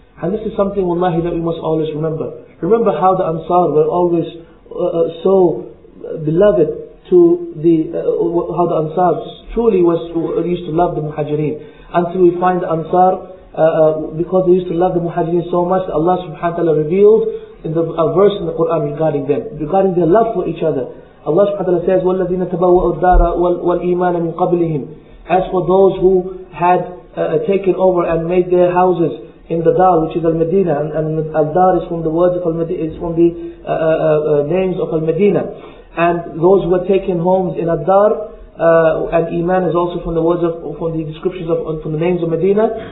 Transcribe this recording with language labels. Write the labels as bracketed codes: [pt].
[en] And this is something, wallahi, that we must always remember. Remember how the Ansar were always so beloved to the how the Ansar truly was used to love the Muhajireen. Until we find the Ansar, because they used to love the Muhajireen so much, Allah subhanahu wa ta'ala revealed in a verse in the Quran regarding them, regarding their love for each other. [ar] Allah subhanahu wa ta'ala says, "وَالَّذِينَ تَبَوَّأُوا الدَّارَ وَالْإِيمَانَ مِنْ قَبْلِهِمْ." [en] As for those who had taken over and made their houses in the Dar, which is Al-Medina, and Al-Dar is from the words of Al-Medina, is from the names of Al-Medina. And those who were taking homes in Al-Dar, And Iman is also from the words of, from the descriptions of, from the names of Medina.